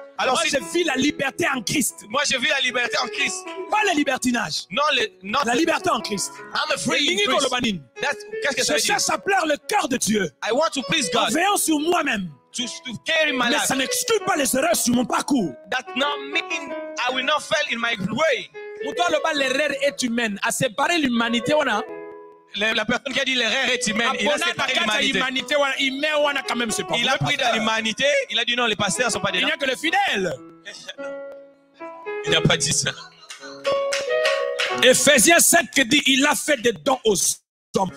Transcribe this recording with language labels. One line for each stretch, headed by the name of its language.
French: Alors, moi, je vis la liberté en Christ. Moi, je vis la liberté en Christ. Pas le libertinage. Non, la liberté en Christ.
English: I'm a free in Christ.
French: Je cherche à plaire le cœur de Dieu.
English: I want to please God.
French: En veillant sur moi-même.
English: To carry my
French: mais
English: life.
French: Ça n'exclut pas les erreurs sur mon parcours.
English: That not mean I will not fail in my way.
French: L'erreur est humaine. À séparer l'humanité, on a. La personne qui a dit l'erreur est humaine, il a séparé l'humanité. L'humanité, on a quand même séparé. Il a pris dans l'humanité. Il a dit non, les pasteurs sont pas des. Il n'y a que les fidèles. Il n'a pas dit ça. Éphésiens 7 qui dit il a fait des dons aux hommes.